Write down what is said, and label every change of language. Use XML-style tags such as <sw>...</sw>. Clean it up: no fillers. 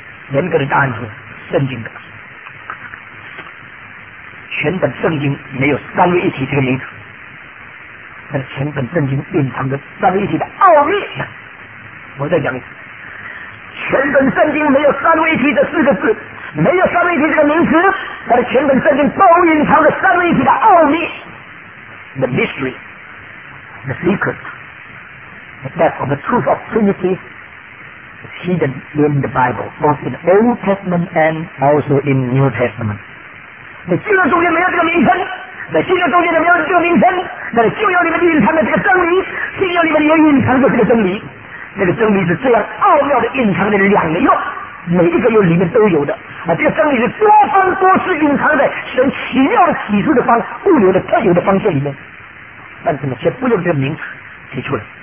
<zh>严格的答案是圣经的，全本圣经没有三位一体这个名词，但是全本圣经隐藏着三位一体的奥秘。我再讲一次，全本圣经没有三位一体这四个字，没有三位一体这个名词，但是全本圣经都隐藏着三位一体的奥秘。</zh> <en>The mystery, the secret, the depth of the truth of Trinity is hidden in the Bible, both in the Old Testament and also in the New Testament.</en> <zh>在旧约中间没有这个名称，在新约中间没有这个名称，在旧约里面隐藏的这个真理，新约里面也隐藏着这个真理。这个真理是这样奥妙的隐藏的两个用，每一个用里面都有的。啊，这个真理是多方多式隐藏在神奇妙的启示的方固有的特有的方向里面，但是呢，却不用这个名词提出来。</zh>